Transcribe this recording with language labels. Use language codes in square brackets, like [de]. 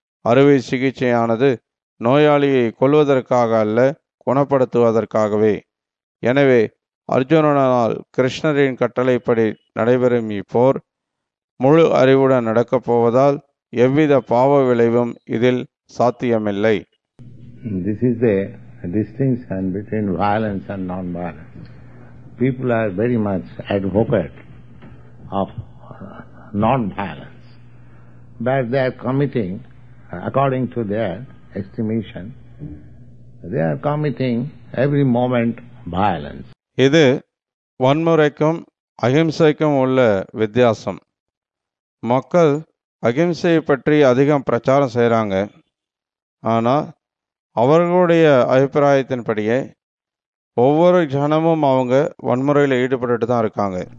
[ta] அறுவை சிகிச்சையானது நோயாளியை கொல்வதற்காக அல்ல, குணப்படுத்துவதற்காகவே. எனவே அர்ஜுனனால் கிருஷ்ணரின் கட்டளைப்படி நடைபெறும் இப்போர் முழு அறிவுடன் நடக்கப் போவதால் எவ்வித பாவ விளைவும் இதில் சாத்தியமில்லை. [en] This is the distinction between violence and non-violence. People are very much advocate of non-violence, but they are committing, according to their estimation, they are committing every moment violence. [ta] இது வன்முறைக்கும் அகிம்சைக்கும் உள்ள வித்தியாசம். மக்கள் அகிம்சையை பற்றி அதிகம் பிரச்சாரம் செய்கிறாங்க, ஆனால் அவர்களுடைய அபிப்பிராயத்தின்படியே ஒவ்வொரு ஜனமும் அவங்க வன்முறையில் ஈடுபட்டு தான் இருக்காங்க.